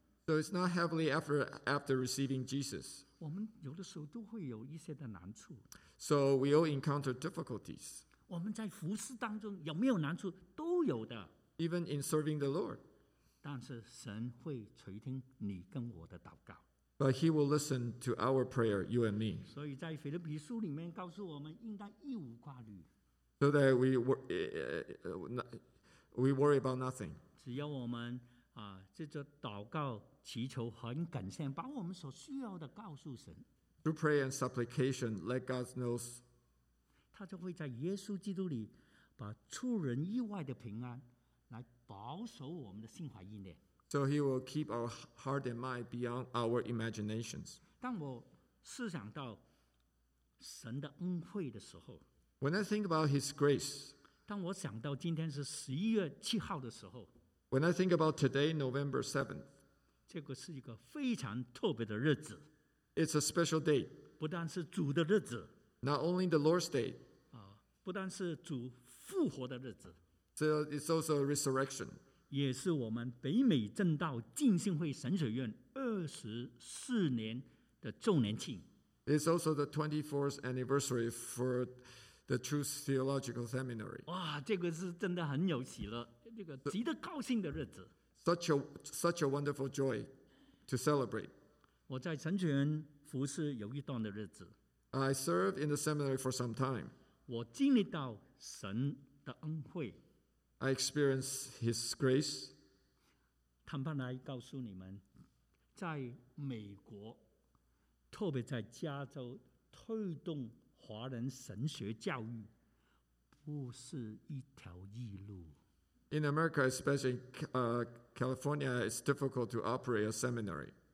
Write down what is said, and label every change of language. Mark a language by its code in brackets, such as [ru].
[en] So it's not happily after receiving Jesus. [zh] 我们有的时候都会有一些的难处。 [en] So we all encounter difficulties. [zh] 我们在服事当中有没有难处，都有的。 [en] Even in serving the Lord, [zh] 但是神会垂听你跟我的祷告。 [en] But He will listen to our prayer, you and me. [zh] 所以在腓立比书里面告诉我们，应当一无挂虑。 [en] So that we worry about nothing. [zh] 只要我们这种祷告、祈求很感谢，把我们所需要的告诉神。 [en] Through prayer and supplication, let God know. [zh] 他就会在耶稣基督里把出人意外的平安来保守我们的心怀意念。 [en] So he will keep our heart and mind beyond our imaginations. [zh] 当我思想到神的恩惠的时候， [en] When I think about his grace, [zh] 当我想到今天是11月7号的时候， [en] When I think about today, November 7th, [zh] 这个是一个非常特别的日子。 [en] It's a special day. [zh] 不但是主的日子， [en] Not only the Lord's Day, [zh] 不但是主复活的日子， [en] so it's also a resurrection. [zh] 也是我们北美正道浸信会神学院24年的周年庆。 [en] It's also the 24th anniversary for the Truth Theological Seminary. [zh] 哇，这个是真的很有喜乐，这个极的高兴的日子。 [en] Such a wonderful joy to celebrate. [zh] 我在神学院服事有一段的日子。 [en] I served in the seminary for some time. [zh] 我经历到神的恩惠。 [en] I experienced His grace. [zh] 坦白来告诉你们，在美国，特别在加州，推动华人神学教育不是一条易路。 [en] In America, especially California, it's difficult to operate a seminary.